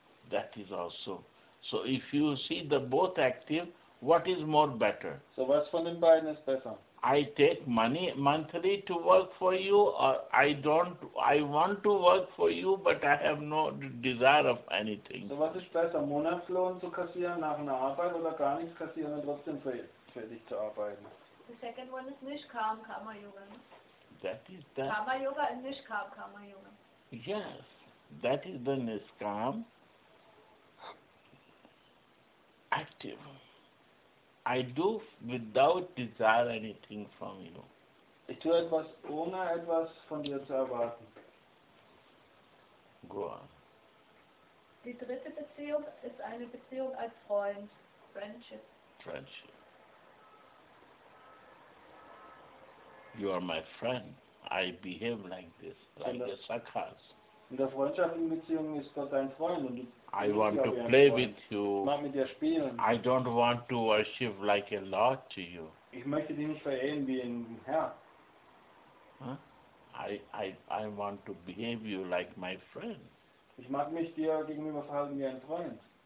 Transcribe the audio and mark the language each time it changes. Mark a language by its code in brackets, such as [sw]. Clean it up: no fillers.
[en] That is also. So if you see the both active, what is more better? [de] So was von den beiden ist besser? [en] I take money monthly to work for you, or I want to work for you, but I have no desire of anything. [de] So was ist besser, Monatslohn zu kassieren nach einer Arbeit oder gar nichts kassieren und trotzdem für dich zu arbeiten? [en] The second one is Nishkam Kama Yoga. That is that. Kama Yoga and Nishkam Kama Yoga. Yes, that is the Nishkam. Active. I do without desire anything from you. [de] Ich tue etwas, ohne etwas von dir zu erwarten. [en] Go on. [de] Die dritte Beziehung ist eine Beziehung als Freund. [en] Friendship. Friendship. You are my friend. I behave like this, like a sarcas. [de] In der freundschaftlichen Beziehung ist Gott dein Freund und [en] I want to play with you. [de] Mach mit dir spielen. [en] I don't want to worship like a lord to you. [de] Ich möchte dich nicht verehren wie ein Herr. Huh? [en] I want to behave you like my friend. [de] Ich mag mich dir gegenüber verhalten wie ein Freund.